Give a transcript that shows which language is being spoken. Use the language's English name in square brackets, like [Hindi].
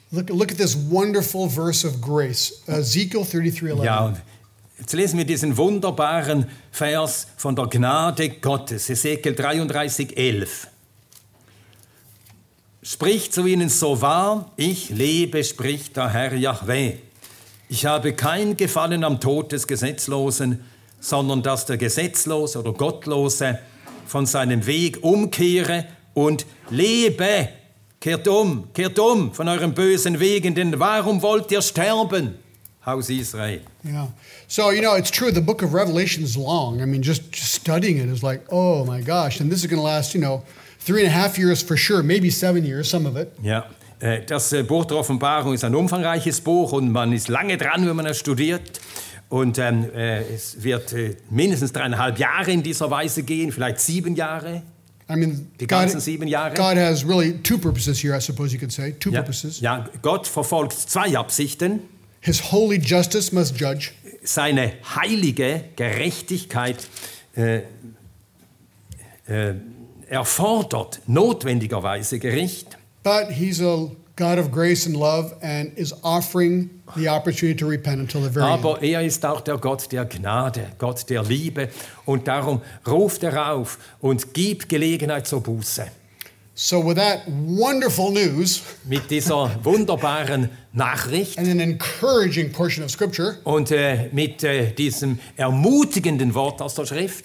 [English] Look at this wonderful verse of grace, Ezekiel 33:11. [German] Ja, jetzt lesen wir diesen wunderbaren Vers von der Gnade Gottes, Ezekiel 33:11. Spricht zu ihnen, so wahr ich lebe, spricht der Herr Jahwe. Ich habe kein Gefallen am Tod des Gesetzlosen, sondern dass der Gesetzlose oder Gottlose von seinem Weg umkehre und lebe. Kehrt um von eurem bösen Wegen, denn warum wollt ihr sterben? Haus Israel. [English] Yeah. So, you know, it's true, the book of Revelation is long. I mean, just studying it is like, oh my gosh, and this is going to last, you know, 3.5 years for sure, maybe 7 years, some of it. Yeah. [German] Das Buch der Offenbarung ist ein umfangreiches Buch und man ist lange dran, wenn man es studiert. Und es wird mindestens 3.5 Jahre in dieser Weise gehen, vielleicht 7 Jahre. [English] I mean, [German] die ganzen 7 Jahre. [English] God has really two purposes here, I suppose you could say. Two purposes. [German] Ja, Gott verfolgt 2 Absichten. [English] His holy justice must judge. [German] Seine heilige Gerechtigkeit erfordert notwendigerweise Gericht. [English] But he's a God of grace and love and is offering the opportunity to repent until the very end. [German] Aber er ist auch der Gott der Gnade, Gott der Liebe. Und darum ruft er auf und gibt Gelegenheit zur Buße. [English] So with that wonderful news, [German] mit dieser wunderbaren Nachricht [English] and an encouraging portion of scripture, [German] und mit diesem ermutigenden Wort aus der Schrift,